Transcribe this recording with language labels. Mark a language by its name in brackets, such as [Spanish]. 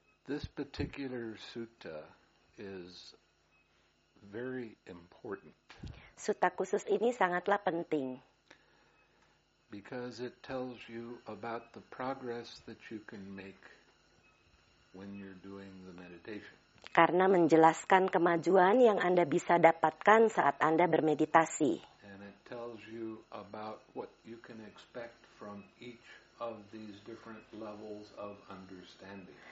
[English] This particular sutta is very important. [Indonesian] Sutta khusus ini sangatlah penting. [English] Because it tells you about the progress that you can make when you're doing the meditation. [Indonesian] Karena menjelaskan kemajuan yang Anda bisa dapatkan saat Anda bermeditasi. [English] And it tells you about what you can expect from each of these different levels of understanding.